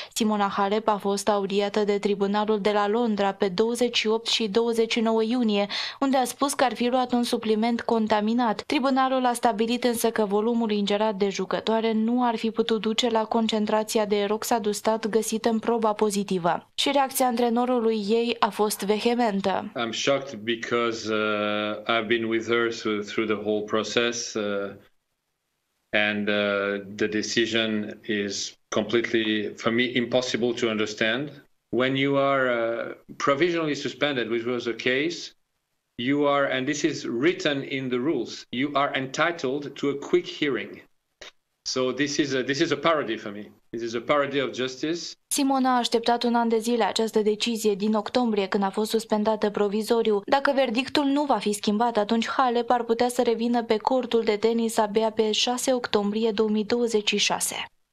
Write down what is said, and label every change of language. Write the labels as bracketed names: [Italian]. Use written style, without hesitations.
[Romanian] Simona Halep a fost audiată de tribunalul de la Londra pe 28 și 29 iunie, unde a spus că ar fi luat un supliment contaminat. Tribunalul a stabilit însă că volumul ingerat de jucătoare nu ar fi putut duce la concentrația de roxadustat găsită în proba pozitivă. Și reacția antrenorului ei a fost vehementă. [English] I'm shocked because I've been with her through the whole process and the decision is completely for me impossible to understand. When you are provisionally suspended, which was the case, you are, and this is written in the rules, you are entitled to a quick hearing. So this is a parody for me. This is a parody of justice. [Romanian] Simona a așteptat un an de zile această decizie din octombrie, când a fost suspendată provizoriu. Dacă verdictul nu va fi schimbat, atunci Halep ar putea să revină pe cortul de tenis abia pe 6 octombrie 2026.